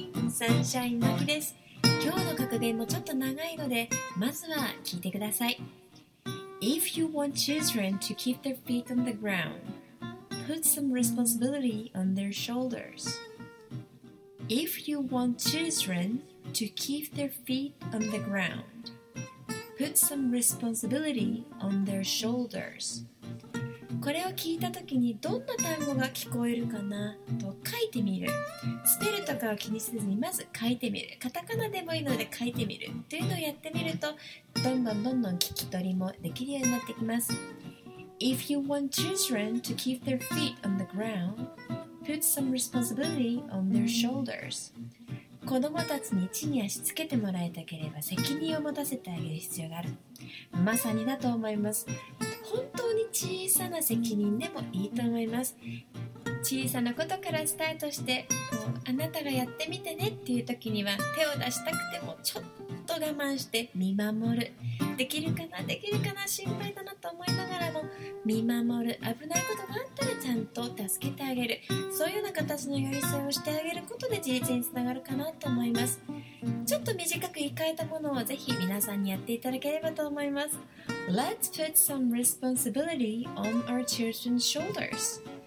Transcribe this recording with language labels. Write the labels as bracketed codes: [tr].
[ja] サンシャインマキです。今日の格言もちょっと長いので、まずは聞いてください。 [en] If you want children to keep their feet on the ground, put some responsibility on their shoulders. If you want children to keep their feet on the ground, put some responsibility on their shoulders. [ja] これを聞いたときにどんな単語が聞こえるかなと書いてみる。スペルとかは気にせずにまず書いてみる。カタカナでもいいので書いてみるというのをやってみると、どんどんどんどん聞き取りもできるようになってきます。 [en] If you want children to keep their feet on the ground, put some responsibility on their shoulders. [ja] 子供たちに地に足つけてもらいたければ責任を持たせてあげる必要がある。まさにだと思います。本当に小さな責任でもいいと思います。小さなことからスタートして、こうあなたがやってみてねっていう時には、手を出したくてもちょっと我慢して見守る。できるかな、できるかな、心配だなと思いながらも見守る。危ないことがあったらちゃんと助けてあげる。そういうような形の寄り添いをしてあげることで自立につながるかなと思います。ちょっと短く言い換えたものをぜひ皆さんにやっていただければと思います。 [en] Let's put some responsibility on our children's shoulders.